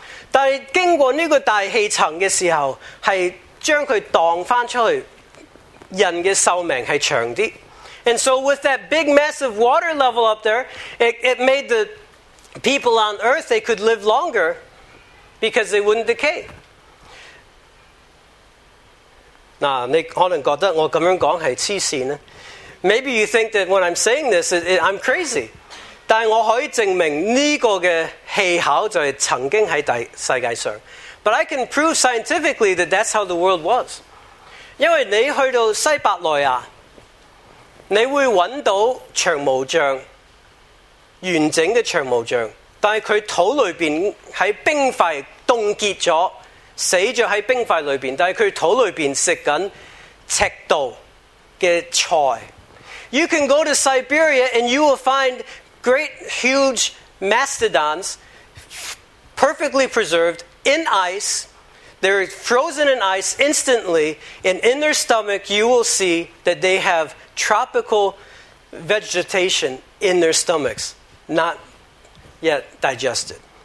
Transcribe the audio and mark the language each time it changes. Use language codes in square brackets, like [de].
[zh] 但经过这个大气层的时候, 将它荡出去，人的寿命是长一点。 [en] And so with that big massive water level up there, it made the people on earth, they could live longer because they wouldn't decay. [zh] 你可能觉得我这样讲是痴线呢? [en] Maybe you think that when I'm saying this, I'm crazy. [zh] 但我可以证明这个气候就是曾经在世界上。 [en] But I can prove scientifically that that's how the world was. [zh] 因为你去到西伯来亚, 你会找到长毛象, 完整的长毛象, 但是它肚里面在冰块冻结了, 死了在冰块里面, 但是它肚里面在吃赤道的菜。 [en] You can go to Siberia and you will find great huge mastodons, perfectly preserved, in ice. They're frozen in ice instantly, and in their stomach you will see that they have tropical vegetation in their stomachs, not yet digested.